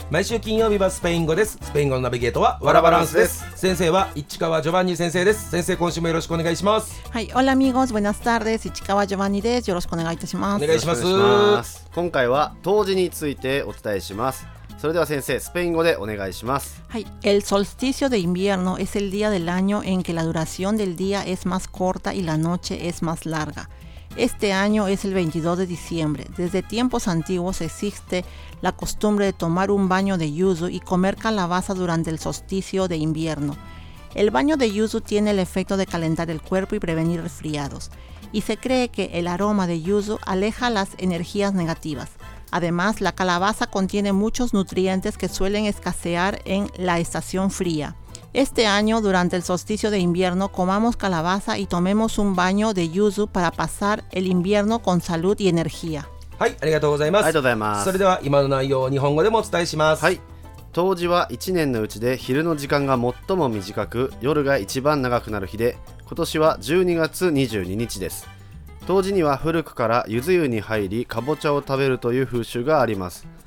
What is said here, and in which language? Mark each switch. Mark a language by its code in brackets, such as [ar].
[ja] 毎週金曜日はスペイン語です。スペイン語のナビゲートはワラバランスです。先生は市川ジョバンニ先生です。先生、今週もよろしくお願いします。はい、オラミゴス、ブナスタールです。市川ジョバンニです。よろしくお願いいたします。お願いします。今回は冬至についてお伝えします。それでは先生、スペイン語でお願いします。はい。 [es] El solsticio de invierno es el día del año en que la duración del día es más corta y la noche es más larga. Este año es el 22 de diciembre. Desde tiempos antiguos existe la costumbre de tomar un baño de yuzu y comer calabaza durante el solsticio de invierno. El baño de yuzu tiene el efecto de calentar el cuerpo y prevenir resfriados. Y se cree que el aroma de yuzu aleja las energías negativas. Además, la calabaza contiene muchos nutrientes que suelen escasear en la estación fría. Este año, durante el solsticio de invierno, comamos calabaza y tomemos un baño de yuzu para pasar el invierno con salud y energía. [ja] はい、ありがとうございます。ありがとうございます。それでは今の内容を日本語でもお伝えします。はい。冬至は1年のうちで昼の時間が最も短く、夜が一番長くなる日で、今年は12月22日です。冬至には古くからゆず湯に入りかぼちゃを食べるという風習があります。